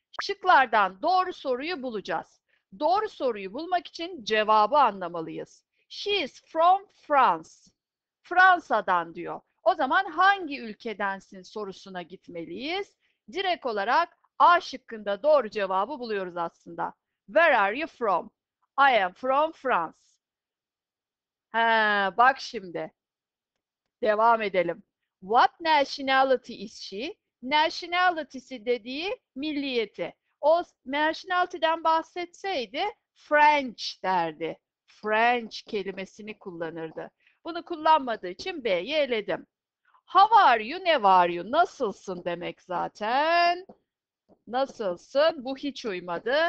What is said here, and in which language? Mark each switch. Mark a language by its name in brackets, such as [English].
[Turkish] Şıklardan doğru soruyu bulacağız. Doğru soruyu bulmak için cevabı anlamalıyız. [English] She is from France. [Turkish] Fransa'dan diyor. O zaman hangi ülkedensin sorusuna gitmeliyiz. Direkt olarak A şıkkında doğru cevabı buluyoruz aslında. [English] Where are you from? I am from France. [Turkish] Ha, bak şimdi. Devam edelim. [English] What nationality is she? [Turkish] Nationality'si dediği milliyeti. O nationality'den bahsetseydi French derdi. French kelimesini kullanırdı. Bunu kullanmadığı için B'yi eledim. [English] How are you? [Turkish] Ne var you? Nasılsın demek zaten. Nasılsın? Bu hiç uymadı.